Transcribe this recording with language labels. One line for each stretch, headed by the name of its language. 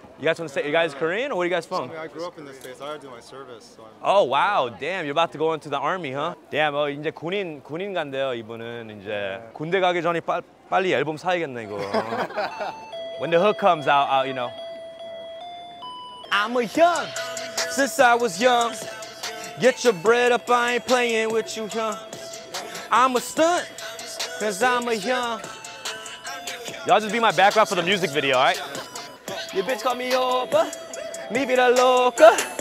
English: You guys want to say, you guys Korean or what are you guys from? I mean, I grew up in the States. I do my service. So I'm oh, wow. Damn. You're about to go into the army, huh?
Korean: Damn. 어, 이제 군인 간대요, 이분은. 이제 군대 가기 전에 빨리 앨범 사야겠네, 이거.
English: When the hook comes out, I'll, you know. I'm a young, since I was young. Get your bread up, I ain't playing with you, huh? I'm a stunt, cause I'm a young. Y'all just be my background for the music video, alright? Your bitch call me Opa, me be the loca.